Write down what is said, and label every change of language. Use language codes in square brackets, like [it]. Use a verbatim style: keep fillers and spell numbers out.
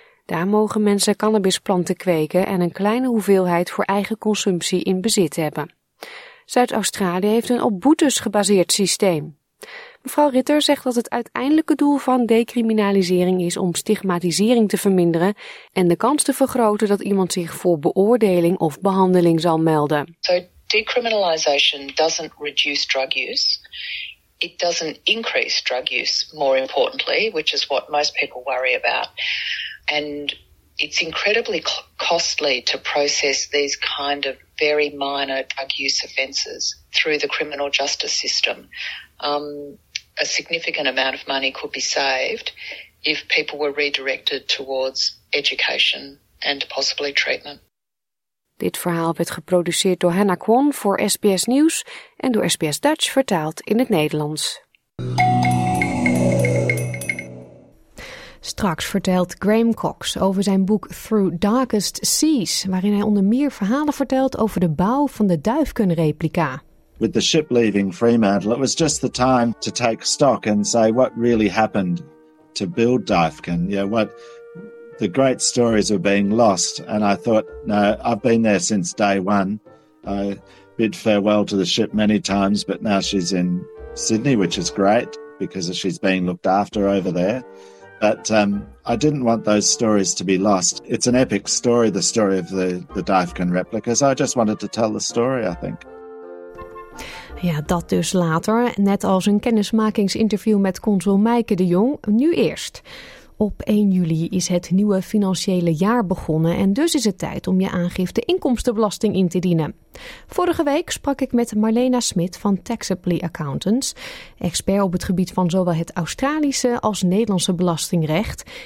[nl] Daar mogen mensen cannabisplanten kweken en een kleine hoeveelheid voor eigen consumptie in bezit hebben. Zuid-Australië heeft een op boetes gebaseerd systeem. Mevrouw Ritter zegt dat het uiteindelijke doel van decriminalisering is om stigmatisering te verminderen en de kans te vergroten dat iemand zich voor beoordeling of behandeling zal melden. [en] So decriminalisation doesn't reduce drug use. It doesn't increase drug use, more importantly, which is what most people worry about. And it's incredibly costly to process these kind of very minor drug use offences through the criminal justice system. Um, a significant amount of money could be saved if people were redirected towards education and possibly treatment. [nl] Dit verhaal werd geproduceerd door Hannah Kwon voor S B S Nieuws en door S B S Dutch vertaald in het Nederlands. Straks vertelt Graham Cox over zijn boek Through Darkest Seas, waarin hij onder meer verhalen vertelt over de bouw van de duifkunreplica. [en] With the ship leaving Fremantle, it was just the time to take stock and say what really happened to build Dyfken. You know, what the great stories were being lost. And I thought, no, I've been there since day one. I bid farewell to the ship many times, but now she's in Sydney, which is great because she's being looked after over there. But um, I didn't want those stories to be lost. It's an epic story, the story of the, the Dyfken replica. So I just wanted to tell the story, I think. [nl] Ja, dat dus later. Net als een kennismakingsinterview met consul Maaike de Jong, nu eerst. Op één juli is het nieuwe financiële jaar begonnen en dus is het tijd om je aangifte inkomstenbelasting in te dienen. Vorige week sprak ik met Marlena Smit van Taxably Accountants, expert op het gebied van zowel het Australische als Nederlandse belastingrecht.